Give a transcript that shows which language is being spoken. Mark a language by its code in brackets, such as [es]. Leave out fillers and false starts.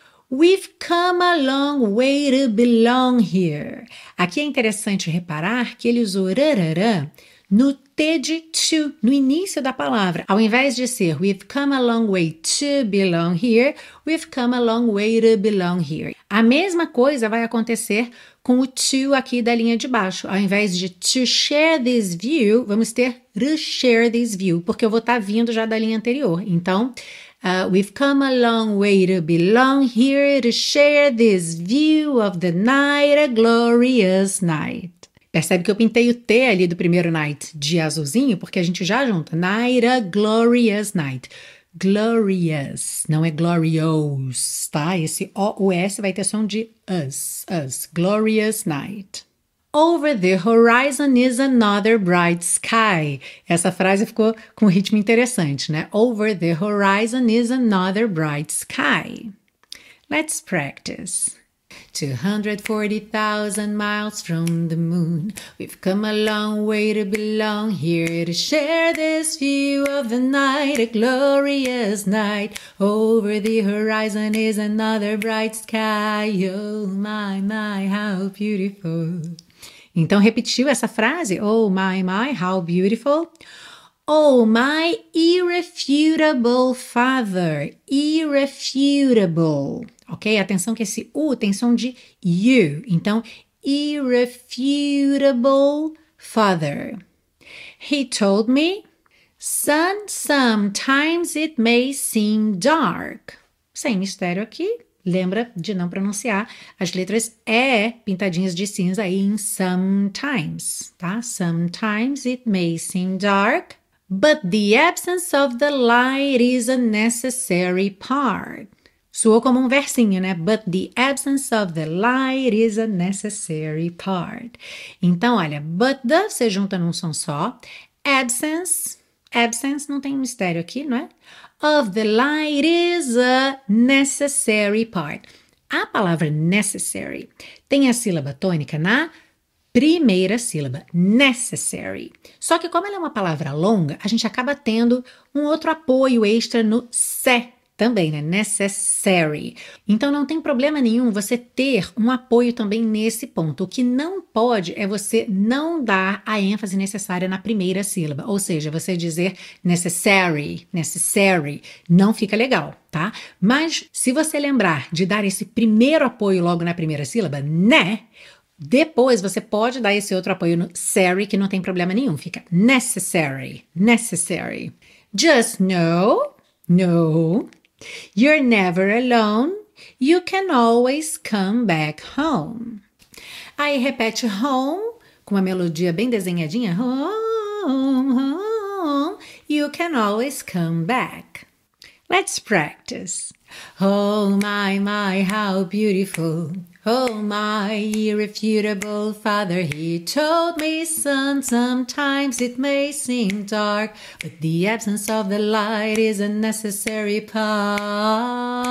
[en] We've come a long way to belong here. [pt] Aqui é interessante reparar que ele usou rarará no T de to, no início da palavra. Ao invés de ser [en] we've come a long way to belong here, we've come a long way to belong here. [pt] A mesma coisa vai acontecer com o to aqui da linha de baixo. Ao invés de [en] to share this view, [pt] vamos ter to share this view, porque eu vou estar vindo já da linha anterior. [en] Então, we've come a long way to belong here, to share this view of the night, a glorious night. [pt] Percebe que eu pintei o T ali do primeiro night de azulzinho, porque a gente já junta. [en] Night, a glorious night. Glorious, [pt] não é [en] glorious, tá? [pt] Esse O-U-S vai ter som de us, us. [en] Glorious night. Over the horizon is another bright sky. [pt] Essa frase ficou com um ritmo interessante, né? [en] Over the horizon is another bright sky. Let's practice. 240,000 miles from the moon. We've come a long way to belong here, to share this view of the night, a glorious night. Over the horizon is another bright sky. Oh my, my, how beautiful. [pt] Então repetiu essa frase. [en] Oh my, my, how beautiful. Oh my irrefutable father. Irrefutable. Ok? [pt] Atenção que esse U tem som de U. [en] Então, irrefutable father. He told me, son, sometimes it may seem dark. [pt] Sem mistério aqui. Lembra de não pronunciar as letras E pintadinhas de cinza em sometimes, tá? [en] Sometimes it may seem dark, but the absence of the light is a necessary part. [pt] Soou como um versinho, né? [en] But the absence of the light is a necessary part. [pt] Então, olha, [en] but the, [pt] você junta num som só. Absence, não tem mistério aqui, não é? [en] Of the light is a necessary part. [pt] A palavra necessary tem a sílaba tônica na primeira sílaba, necessary. Só que como ela é uma palavra longa, a gente acaba tendo um outro apoio extra no se também, né? Necessary. Então não tem problema nenhum você ter um apoio também nesse ponto. O que não pode é você não dar a ênfase necessária na primeira sílaba. Ou seja, você dizer necessary, necessary, não fica legal, tá? Mas se você lembrar de dar esse primeiro apoio logo na primeira sílaba, né? Depois você pode dar esse outro apoio no necessary, que não tem problema nenhum. Fica necessary, necessary. [en] Just know, no, you're never alone. You can always come back home. [pt] Aí repete home com uma melodia bem desenhadinha. [en] Home, home, you can always come back. Let's practice. Oh my, my, how beautiful. Oh my, irrefutable father, he told me, son, sometimes it may seem dark, but the absence of the light is a necessary part.